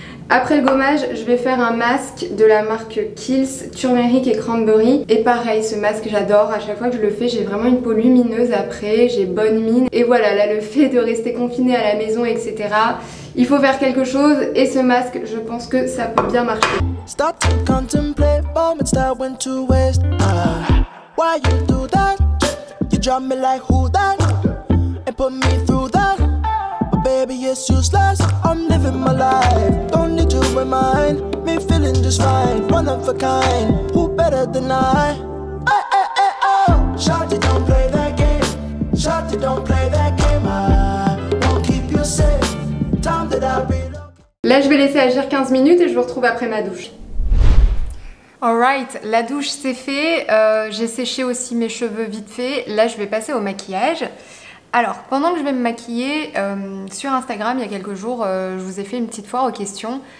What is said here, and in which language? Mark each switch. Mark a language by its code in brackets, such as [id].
[fr] Après le gommage, je vais faire un masque de la marque Kiehl's Turmeric et Cranberry. Et pareil, ce masque j'adore, à chaque fois que je le fais, j'ai vraiment une peau lumineuse après, j'ai bonne mine. Et voilà, là le fait de rester confinée à la maison, etc. Il faut faire quelque chose et ce masque, je pense que ça peut bien marcher. [en] Stop to contemplate moments that went to waste. Why you do that? You drop me like who that? And put me through that? Baby, it's useless, I'm living my life. Don't need to remind me, feeling just fine. One of a kind, who better than I? Ay, ay, ay, oh. Shawty, don't play that game. Shawty, don't play that game. I won't keep you safe. Time that I reload. [fr] Là, je vais laisser agir 15 minutes et je vous retrouve après ma douche. Alright, la douche c'est fait. J'ai séché aussi mes cheveux vite fait. Là, je vais passer au maquillage. Alors, pendant que je vais me maquiller, sur Instagram, il y a quelques jours, je vous ai fait une petite foire aux questions.